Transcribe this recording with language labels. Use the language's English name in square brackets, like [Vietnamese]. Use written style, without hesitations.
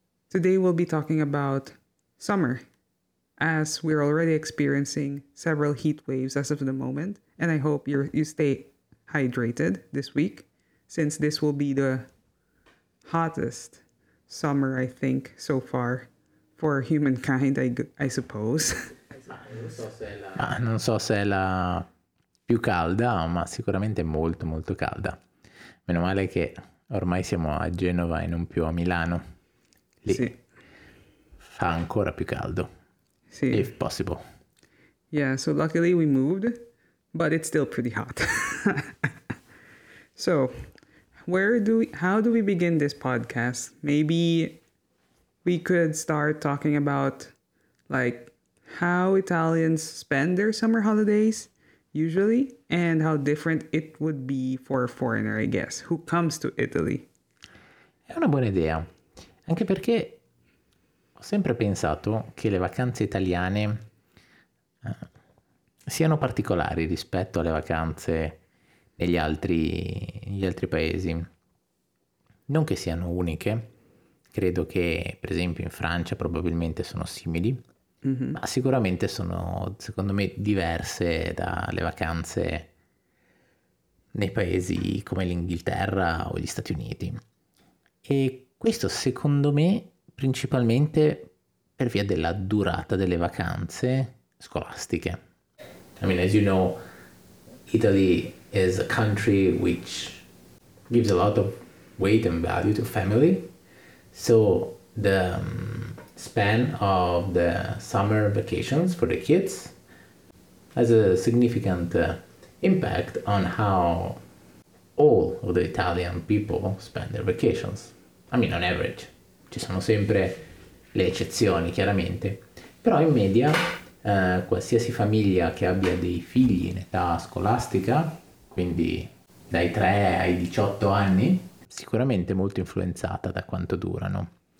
[English] Today, we'll be talking about summer, as we're already experiencing several heat waves as of the moment, and I hope you stay hydrated this week, since this will be the hottest summer, I think, so far for humankind, I suppose. [Italian] Non so se è la più calda, ma sicuramente molto molto calda. Meno male che ormai siamo a Genova e non più a Milano. Lì sì. Fa ancora più caldo. Sì. [English] If possible. Yeah, so luckily we moved, but it's still pretty hot. So, how do we begin this podcast? Maybe we could start talking about like how Italians spend their summer holidays usually and how different it would be for a foreigner, I guess, who comes to Italy. [Italian] È una buona idea. Anche perché ho sempre pensato che le vacanze italiane siano particolari rispetto alle vacanze negli altri paesi. Non che siano uniche, credo che per esempio in Francia probabilmente sono simili, mm-hmm. ma sicuramente sono, secondo me, diverse dalle vacanze nei paesi come l'Inghilterra o gli Stati Uniti. E questo, secondo me, principalmente per via della durata delle vacanze scolastiche. [English] I mean, as you know, Italy is a country which gives a lot of weight and value to family. So the span of the summer vacations for the kids has a significant impact on how all of the Italian people spend their vacations. I mean, on average. [Italian] Ci sono sempre le eccezioni, chiaramente, però in media qualsiasi famiglia che abbia dei figli in età scolastica, quindi dai 3 ai 18 anni, sicuramente molto influenzata da quanto durano.